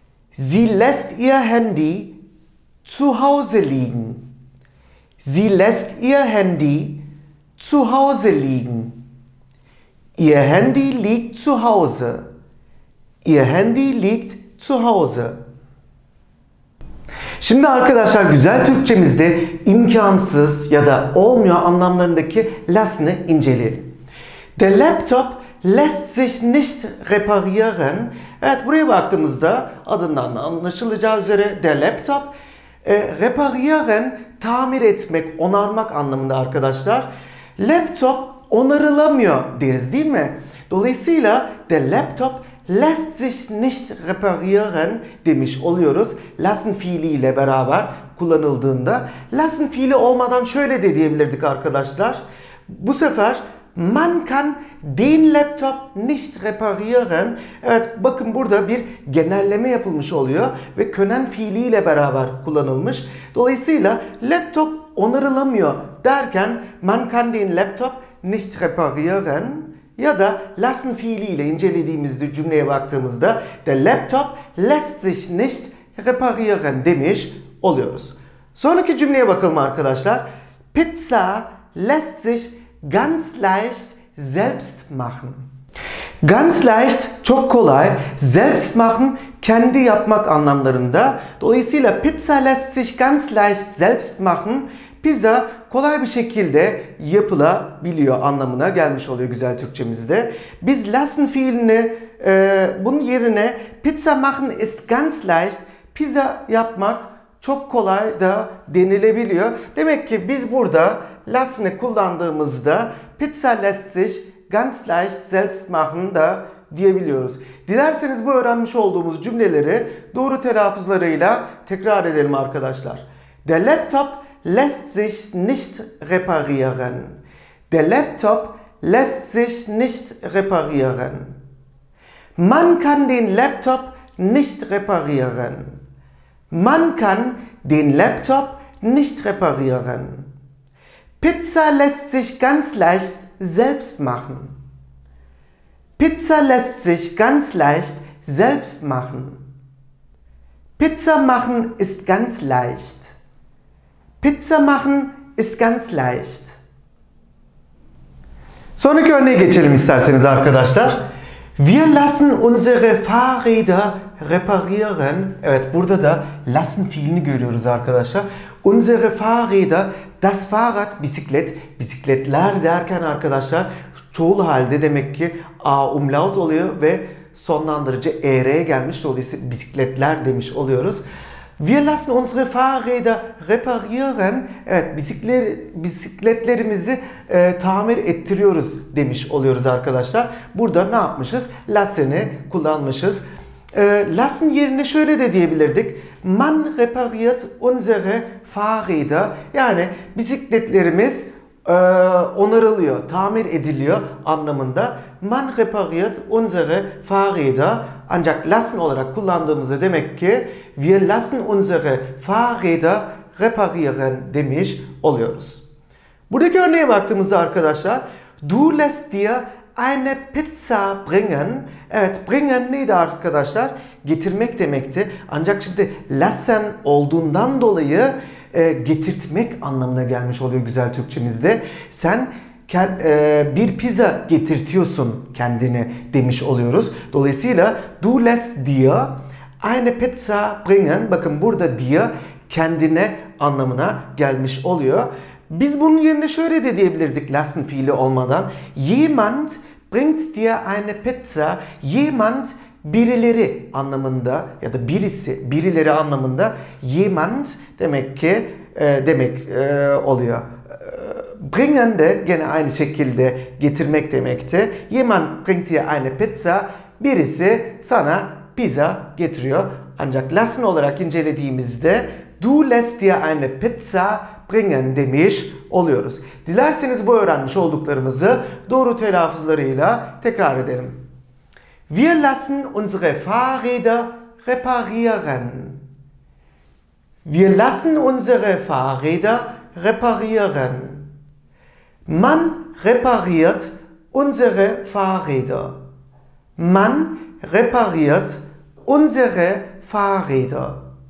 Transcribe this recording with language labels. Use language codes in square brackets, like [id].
[de] Sie lässt ihr Handy zu Hause liegen. Sie lässt ihr Handy zu Hause liegen. Ihr Handy liegt zu Hause. Ihr Handy liegt zu Hause. [tr] Şimdi arkadaşlar güzel Türkçemizde imkansız ya da olmuyor anlamlarındaki lassen'ı inceleyelim. [de] Der Laptop lässt sich nicht reparieren. [tr] Evet, buraya baktığımızda adından anlaşılacağı üzere [de] der Laptop reparieren, [tr] tamir etmek, onarmak anlamında arkadaşlar. Laptop onarılamıyor deriz, değil mi? Dolayısıyla [de] der Laptop lässt sich nicht reparieren [tr] demiş oluyoruz. Lassen fiiliyle beraber kullanıldığında. Lassen fiili olmadan şöyle de diyebilirdik arkadaşlar. Bu sefer [de] man kann den Laptop nicht reparieren. [tr] Evet, bakın burada bir genelleme yapılmış oluyor ve können fiiliyle beraber kullanılmış. Dolayısıyla laptop onarılamıyor derken [de] man kann den Laptop nicht reparieren [tr] ya da lassen fiiliyle incelediğimizde cümleye baktığımızda [de] der Laptop lässt sich nicht reparieren [tr] demiş oluyoruz. Sonraki cümleye bakalım arkadaşlar. [de] Pizza lässt sich ganz leicht selbst machen. Ganz leicht, [tr] çok kolay. [de] Selbst machen, [tr] kendi yapmak anlamlarında. Dolayısıyla [de] pizza lässt sich ganz leicht selbst machen. [tr] Pizza kolay bir şekilde yapılabiliyor anlamına gelmiş oluyor güzel Türkçemizde. Biz lassen fiilini bunun yerine [de] pizza machen ist ganz leicht. [tr] Pizza yapmak çok kolay da denilebiliyor. Demek ki biz burada lassen'ı kullandığımızda [de] pizza lässt sich ganz leicht selbst machen [tr] da diyebiliyoruz. Dilerseniz bu öğrenmiş olduğumuz cümleleri doğru telaffuzlarıyla tekrar edelim arkadaşlar. [de] Der Laptop lässt sich nicht reparieren. Der Laptop lässt sich nicht reparieren. Man kann den Laptop nicht reparieren. Man kann den Laptop nicht reparieren. Pizza lässt sich ganz leicht selbst machen. Pizza lässt sich ganz leicht selbst machen. Pizza machen ist ganz leicht. Pizza machen ist ganz leicht. [tr] Sonraki örneğe geçelim isterseniz arkadaşlar. [de] Wir lassen unsere Fahrräder reparieren. [tr] Evet, burada da lassen fiilini görüyoruz arkadaşlar. [de] Unsere Fahrräder, das Fahrrad, [tr] bisiklet, bisikletler derken arkadaşlar çoğul halde demek ki a umlaut oluyor ve sonlandırıcı ere'ye gelmiş. Dolayısıyla bisikletler demiş oluyoruz. [de] Wir lassen unsere Fahrräder reparieren. [tr] Evet, bisikletlerimizi tamir ettiriyoruz demiş oluyoruz arkadaşlar. Burada ne yapmışız? Lassen'i kullanmışız. Lassen yerine şöyle de diyebilirdik. [de] Man repariert unsere Fahrräder. [tr] Yani bisikletlerimiz onarılıyor, tamir ediliyor anlamında. [de] Man repariert unsere Fahrräder. [tr] Ancak lassen olarak kullandığımızda demek ki [de] wir lassen unsere Fahrräder reparieren [tr] demiş oluyoruz. Buradaki örneğe baktığımızda arkadaşlar, [de] du lässt dir eine Pizza bringen. [tr] Evet, bringen neydi arkadaşlar? Getirmek demekti. Ancak şimdi lassen olduğundan dolayı getirtmek anlamına gelmiş oluyor güzel Türkçemizde. Sen bir pizza getirtiyorsun kendine demiş oluyoruz. Dolayısıyla [de] du lässt dir eine Pizza bringen. [tr] Bakın burada dir kendine anlamına gelmiş oluyor. Biz bunun yerine şöyle de diyebilirdik lassen fiili olmadan. [de] Jemand bringt dir eine Pizza. [tr] Jemand birileri anlamında ya da birisi birileri anlamında jemand demek ki demek oluyor. Bringen de gene aynı şekilde getirmek demekti. [de] Jemand bringt dir eine Pizza. [tr] Birisi sana pizza getiriyor. Ancak lassen olarak incelediğimizde [de] du lässt dir eine Pizza bringen [tr] demiş oluyoruz. Dilerseniz bu öğrenmiş olduklarımızı doğru telaffuzlarıyla tekrar edelim. [de] Wir lassen unsere Fahrräder reparieren. Wir lassen unsere Fahrräder reparieren. Man repariert unsere Fahrräder. Man repariert unsere Fahrräder.